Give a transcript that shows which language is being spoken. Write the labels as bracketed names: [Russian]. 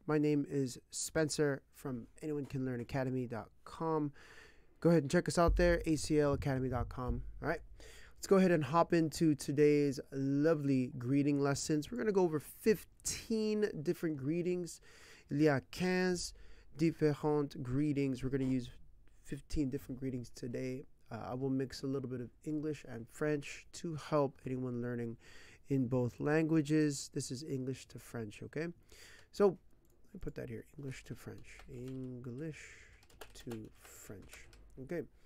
[English] My name is Spencer from anyonecanlearnacademy.com. Go ahead and check us out there, aclacademy.com. All right, let's go ahead and hop into today's lovely greeting lessons. We're going to go over 15 different greetings. [French] Il y a 15 différentes [English] greetings. We're going to use 15 different greetings today. I will mix a little bit of English and French to help anyone learning in both languages. This is English to French, okay? So, let me put that here. English to French. English to French. Okay.